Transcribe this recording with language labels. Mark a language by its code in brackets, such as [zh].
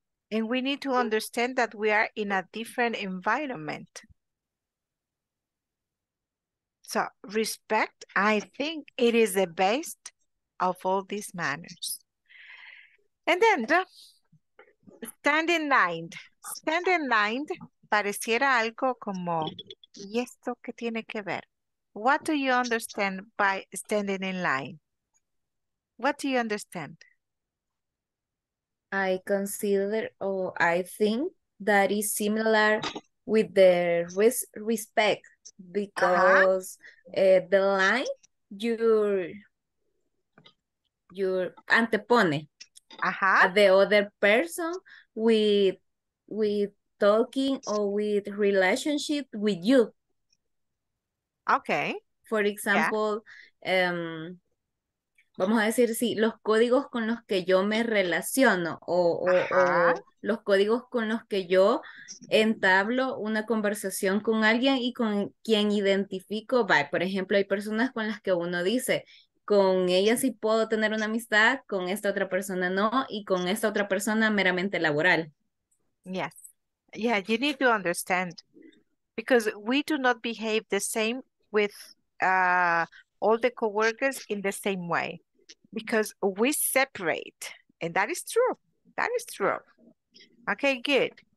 [en] And we need to understand that we are in a different environment. So respect, I think it is the best of all these manners. And then stand in line. Stand in line, [es] pareciera algo como, ¿y esto qué tiene que ver? [en] What do you understand by standing in line? What do you understand? I consider or I think that is similar with the respect because the line your antepone the other person with talking or with relationship with you. Okay. [es] For example, vamos a decir, sí, los códigos con los que yo me relaciono o los códigos con los que yo entablo una conversación con alguien y con quien identifico, bye. Por ejemplo, hay personas con las que uno dice, con ella sí puedo tener una amistad, con esta otra persona no, y con esta otra persona meramente laboral. [en] Yes. Yeah, you need to understand. Because we do not behave the same with all the coworkers in the same way. Because we separate. And that is true. That is true. Okay, good.